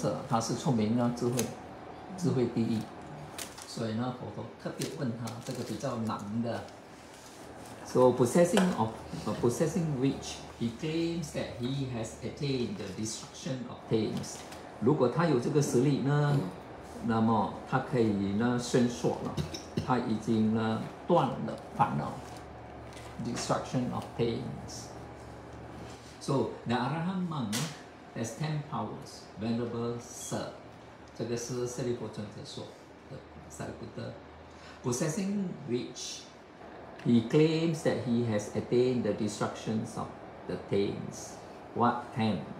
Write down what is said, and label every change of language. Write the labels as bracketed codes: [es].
[zh] 舍利弗尊者,他是出名的智慧第一.所以呢,佛陀特别问他,这个比较难的. [en] So possessing which he claims that he has attained the destruction of things. [zh] 如果他有这个实力呢，那么他可以呢伸缩了，他已经呢断了烦恼. [en] Destruction of things. So the Arahant monk has 10 powers, venerable sir. [zh] 这个是舍利弗尊者说的，Sariputta. [en] Possessing which he claims that he has attained the destruction of the things. What ten?